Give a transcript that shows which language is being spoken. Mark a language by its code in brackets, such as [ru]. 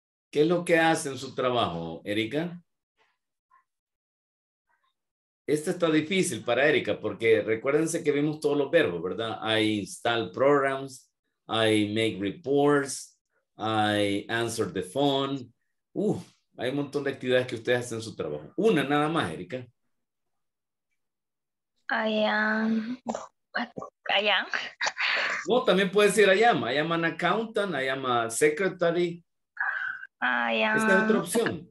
[es] ¿Qué es lo que hace en su trabajo, Erika? Esta está difícil para Erika porque recuérdense que vimos todos los verbos, ¿verdad? [en] I install programs, I make reports, I answer the phone. [es] Hay un montón de actividades que ustedes hacen en su trabajo. Una nada más, Erika. [en] I am. [es] No, también puede decir [en] I am an accountant, I am a secretary. I am. [es] Esta es otra opción.